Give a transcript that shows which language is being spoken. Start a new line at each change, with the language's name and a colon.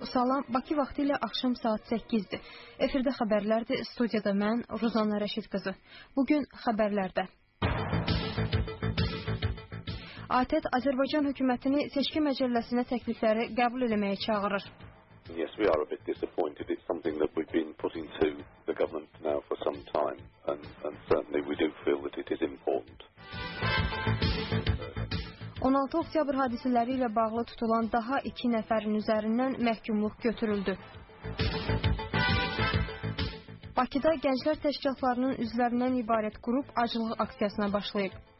Azerbaijani: Salam, Bakı vaxtı ilə axşam saat 8-dir. Efirdə xəbərlərdir, studiyada mən, Ruzana Rəşid qızı. Bugün xəbərlərdə. ATƏT Azərbaycan hökumətini seçki məcəlləsinə təklifləri qəbul eləməyə çağırır.
English: Yes, we are a bit disappointed. It's something that we've been putting to the government now for some time and certainly we do feel that it is important.
Azerbaijani: 16 oktyabr hadisələri ilə bağlı tutulan daha 2 nəfərin üzərindən məhkumluq götürüldü. Bakıda gənclər təşkilatlarının üzvlərindən ibarət qrup acılıq aksiyasına başlayıb.